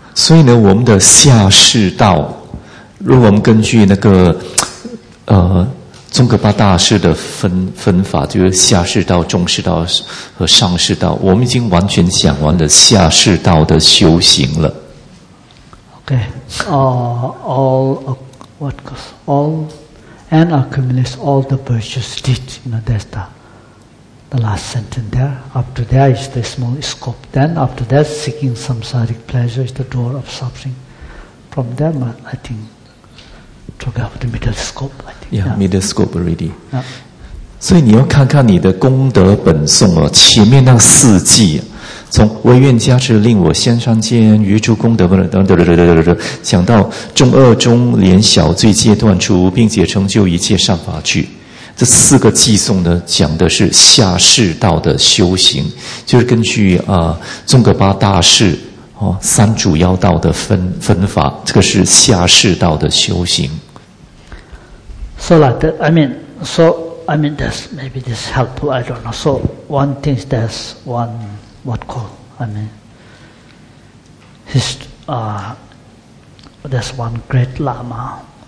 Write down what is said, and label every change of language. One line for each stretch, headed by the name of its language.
Chinese: 所以呢，我们的下士道，如果我们根据那个宗喀巴大师的分法，就是下士道、中士道和上士道，我们已经完全讲完了下士道的修行了。
English: Okay, all what goes all and accumulates all the virtues did. You know, that's the last sentence there. After there is the small scope. Then after that, seeking samsaric pleasure is the door of suffering. From there, I think, to go to the middle scope. I think, yeah, middle scope already. Yeah.
Chinese: 所以你要看看你的功德本颂哦，前面那四句，从唯愿加持令我先善见于诸功德等等等等等等，讲到中恶中连小罪皆断除，并且成就一切善法具。这四个偈颂呢，讲的是下士道的修行，就是根据宗喀巴大师三主要道的分法，这个是下士道的修行。
English: So like that, I mean, that's maybe this helpful. I don't know. So one thing is there's one what call? I mean, there's one great lama.